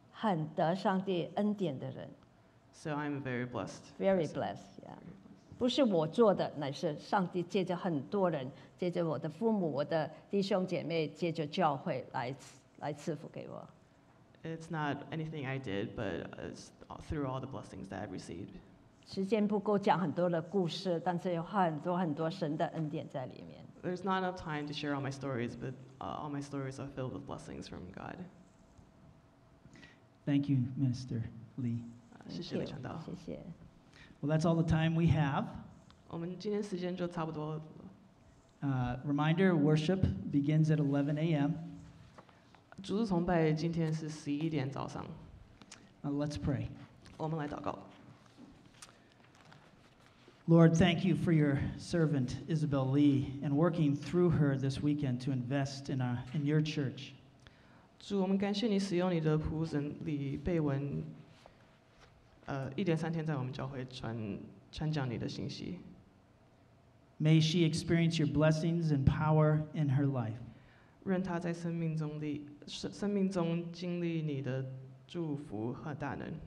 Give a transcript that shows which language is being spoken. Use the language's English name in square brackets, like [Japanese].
[Chinese] 所以我是一个很得上帝恩典的人。 [English] So I'm very blessed. Very blessed, yeah. [Chinese] 不是我做的，乃是上帝借着很多人，借着我的父母、我的弟兄姐妹，借着教会来赐福给我。 [English] It's not anything I did, but it's through all the blessings that I've received. [Chinese] 时间不够讲很多的故事，但是有很多很多神的恩典在里面。 [English] There's not enough time to share all my stories, but all my stories are filled with blessings from God. Thank you, Minister Lee. [Chinese] 谢谢李传道。谢谢。 [English] Well, that's all the time we have. [Chinese] 我们今天时间就差不多了。 [English] Reminder, worship begins at 11 a.m. [Chinese] 主日崇拜今天是11点早上。 [English] Let's pray. [Chinese] 我们来祷告。 [English] Lord, thank you for your servant, Isabel Lee, and working through her this weekend to invest in your church. [Chinese] 主，我们感谢你使用你的仆人李贝文，一连三天在我们教会传讲你的信息。 [English] May she experience your blessings and power in her life. [Chinese] 让她在生命中经历你的祝福和大能。